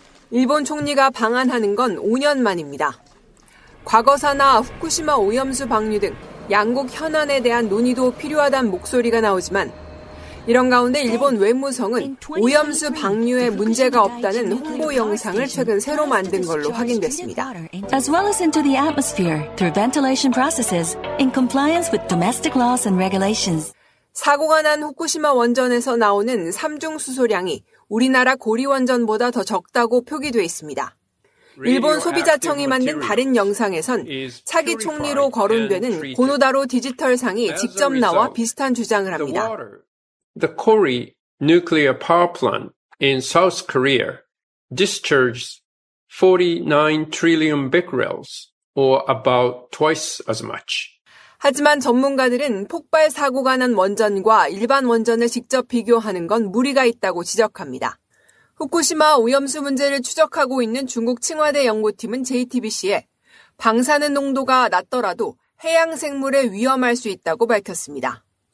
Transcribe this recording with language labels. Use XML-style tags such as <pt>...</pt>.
<ko>일본 총리가 방한하는 건 5년 만입니다. 과거사나 후쿠시마 오염수 방류 등 양국 현안에 대한 논의도 필요하다는 목소리가 나오지만 이런 가운데 일본 외무성은 오염수 방류에 문제가 없다는 홍보 영상을 최근 새로 만든 걸로 확인됐습니다.</ko> <en>As well as into the atmosphere through ventilation processes in compliance with domestic laws and regulations.</en> <ko>사고가 난 후쿠시마 원전에서 나오는 삼중수소량이 우리나라 고리 원전보다 더 적다고 표기돼 있습니다. 일본 소비자청이 만든 다른 영상에선 차기 총리로 거론되는 고노다로 디지털상이 직접 나와 비슷한 주장을 합니다.</ko> <en>The Kori nuclear power plant in South Korea discharges 49 trillion becquerels, or about twice as much.</en> <ko>하지만 전문가들은 폭발 사고가 난 원전과 일반 원전을 직접 비교하는 건 무리가 있다고 지적합니다. 후쿠시마 오염수 문제를 추적하고 있는 중국 칭화대 연구팀은 JTBC에 방사능 농도가 낮더라도 해양 생물에 위험할 수 있다고 밝혔습니다.</ko>